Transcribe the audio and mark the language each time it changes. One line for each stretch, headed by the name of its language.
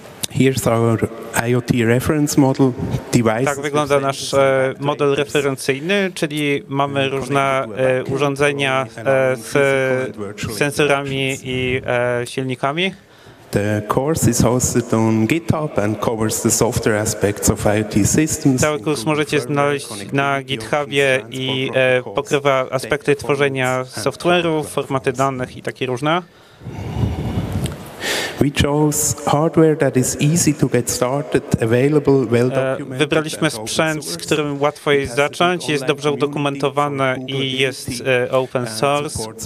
English: Here's our IoT reference model device.
Polish: Tak wygląda nasz model referencyjny, czyli mamy różne urządzenia z sensorami i silnikami.
English: The course is hosted on GitHub and covers the software aspects of IoT systems.
Polish: Cały kurs możecie znaleźć na GitHubie i pokrywa aspekty tworzenia software'u, formaty danych i takie różne.
English: We chose hardware that is easy to get started, available, well documented.
Polish: Wybraliśmy sprzęt, z którym łatwo jest zacząć, jest dobrze udokumentowany i jest open source.